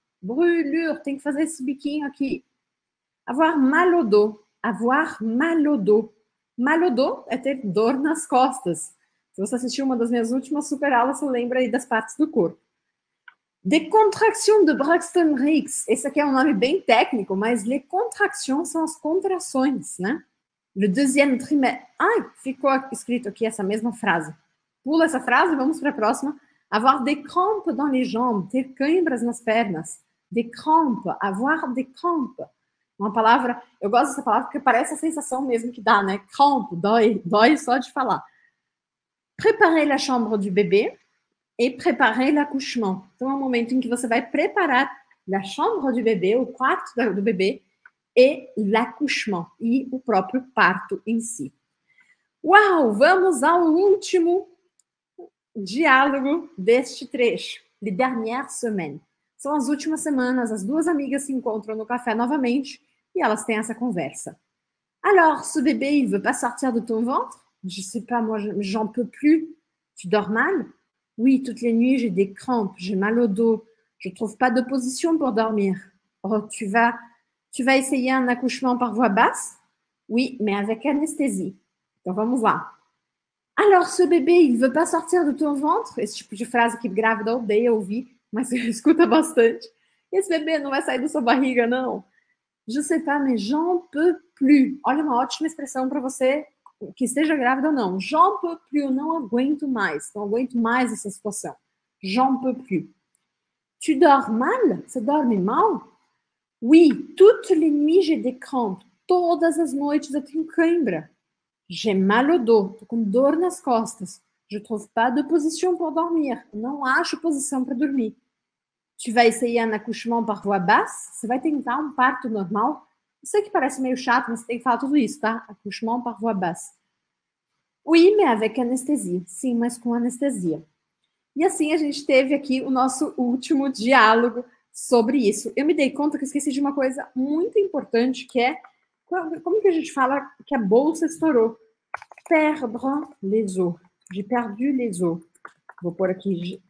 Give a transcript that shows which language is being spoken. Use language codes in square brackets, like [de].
[fr] Brûlure, [pt] tem que fazer esse biquinho aqui. [fr] Avoir mal au dos, avoir mal au dos. Mal au dos [pt] é ter dor nas costas. Se você assistiu uma das minhas últimas super aulas, você lembra aí das partes do corpo. [fr] Des contractions de Braxton-Hicks, [pt] esse aqui é um nome bem técnico, mas les contractions são as contrações, né? [fr] Le deuxième trimestre. [pt] Ai, ficou escrito aqui essa mesma frase. Pula essa frase e vamos para a próxima. [fr] Avoir des crampes dans les jambes. [pt] Ter câimbras nas pernas. [fr] Des crampes. Avoir des crampes. [pt] Uma palavra, eu gosto dessa palavra porque parece a sensação mesmo que dá, né? Crampes, dói, dói só de falar. [fr] Préparer la chambre du bébé et préparer l'accouchement. [pt] Então é um momento em que você vai preparar [fr] la chambre du bébé, [pt] o quarto do bebê, e l'accouchement, e o próprio parto em si. Uau, vamos ao último diálogo deste trecho. [fr] Les dernières semaines. [pt] São as últimas semanas, as duas amigas se encontram no café novamente e elas têm essa conversa. Alors, ce bébé, il veut pas sortir de ton ventre? Je sais pas, moi, j'en peux plus. Tu dors mal? Oui, toutes les nuits, j'ai des crampes, j'ai mal au dos. Je trouve pas de position pour dormir. Oh, tu vas essayer un accouchement par voie basse? Oui, mais avec anesthésie. Então, vamos lá. Alors, ce bébé, il veut pas sortir de ton ventre? Esse tipo de frase que grávida odeia ouvir, mas escuta bastante. Esse bebê não vai sair da sua barriga, não? [fr] Je sais pas, mais j'en peux plus. [pt] Olha, uma ótima expressão para você que esteja grávida ou não. [fr] J'en peux plus, [pt] não aguento mais. Não aguento mais essa situação. [fr] J'en peux plus. Tu dors mal? [pt] Você dorme mal? [fr] Oui, toutes les nuits j'ai des crampes. [pt] Todas as noites eu tenho cãibra. [fr] J'ai mal au dos. [pt] Tô com dor nas costas. [fr] Je trouve pas de position pour dormir. [pt] Não acho posição para dormir. [fr] Tu vas essayer un accouchement par voie basse? [pt] Você vai tentar um parto normal? Eu sei que parece meio chato, mas você tem que falar tudo isso, tá? [fr] Accouchement par voie basse. Oui, mais avec anesthésie. [pt] Sim, mas com anestesia. E assim a gente teve aqui o nosso último diálogo sobre isso. Eu me dei conta que esqueci de uma coisa muito importante, que é... Como que a gente fala que a bolsa estourou? [fr] Perdre les os. J'ai perdu les os. [pt] Vou pôr aqui...